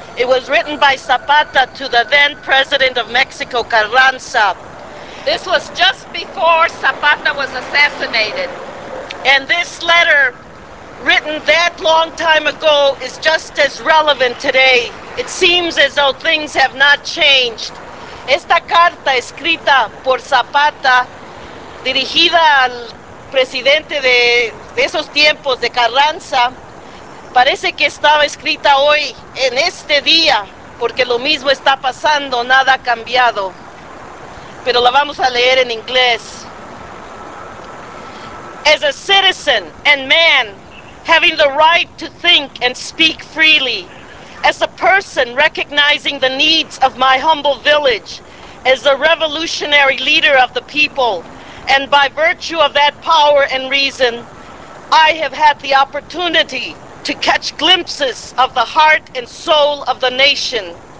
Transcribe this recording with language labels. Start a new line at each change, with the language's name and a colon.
English: It was written by Zapata to the then president of Mexico, Carranza. This was just before Zapata was assassinated. And this letter, written that long time ago, is just as relevant today. It seems as though things have not changed.
Spanish: Esta carta escrita por Zapata, dirigida al presidente de esos tiempos, de Carranza, parece que estaba escrita hoy, en este día, porque lo mismo está pasando, nada ha cambiado. Pero la vamos a leer en inglés.
English: As a citizen and man, having the right to think and speak freely, as a person recognizing the needs of my humble village, as a revolutionary leader of the people, and by virtue of that power and reason, I have had the opportunity to catch glimpses of the heart and soul of the nation.